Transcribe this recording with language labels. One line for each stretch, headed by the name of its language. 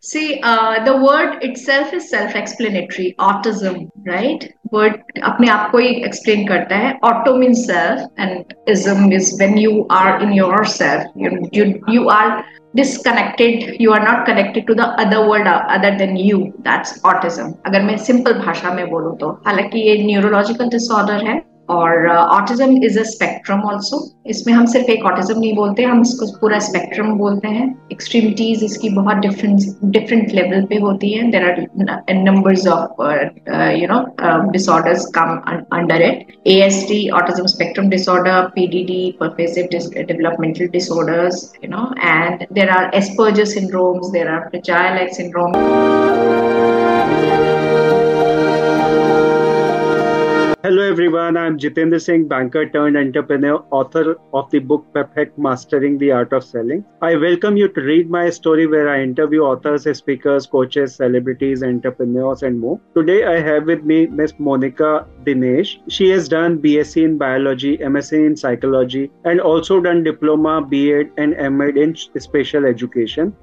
English: See, the word itself is self-explanatory, autism, right? Word
Hindi: अपने आप को ही
English: explain
Hindi: करता है.
English: Auto mean self and ism is when you are in your self. You are disconnected, you are not connected to the other world other than you, that's autism.
Hindi: अगर मैं simple भाषा में बोलूँ तो, हालांकि ये न्यूरोलॉजिकल डिसऑर्डर है और
English: Autism is a spectrum also.
Hindi: इसमें हम सिर्फ एक ऑटिज्म नहीं बोलते, हम इसको पूरा स्पेक्ट्रम बोलते हैं. एक्सट्रीमिटीज इसकी बहुत डिफरेंट डिफरेंट लेवल पे होती है.
English: There are numbers of you know disorders come under it. ASD autism spectrum disorder, PDD pervasive developmental disorders, you know, and there are Asperger syndromes, there are fragile X syndrome. Hello everyone, I'm Jitendra Singh, banker turned entrepreneur, author of the book Perfect Mastering the Art of Selling. I welcome you to read my story where I interview authors, speakers, coaches, celebrities, entrepreneurs and more. Today I have with me Ms. Monica Dinesh. She has done BSc in Biology, MSc in Psychology and also done Diploma, BEd and MEd in Special Education.